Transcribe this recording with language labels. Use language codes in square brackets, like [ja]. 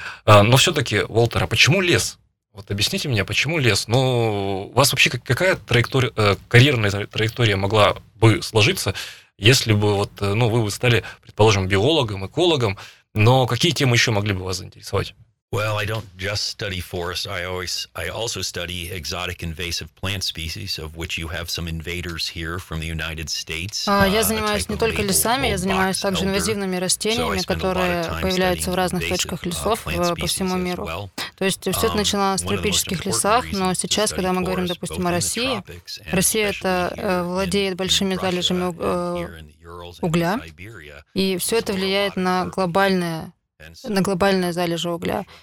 [ru] Но все-таки, Уолтер, а почему лес? Вот объясните мне, почему лес? Ну, у вас вообще какая траектория, карьерная траектория могла бы сложиться, если бы вот, ну, вы бы стали, предположим, биологом, экологом? Но какие темы еще могли бы вас заинтересовать? [en] Well, I don't just study forests. I also study exotic invasive plant species, of which you have some invaders here from the United States. [ru] Я занимаюсь не только лесами, я занимаюсь также инвазивными растениями, которые появляются в разных точках лесов по всему миру. То есть все это начиналось в тропических лесах, но сейчас, когда мы говорим, допустим, о России, Россия это владеет большими залежами угля, и все это влияет на глобальное залежи угля.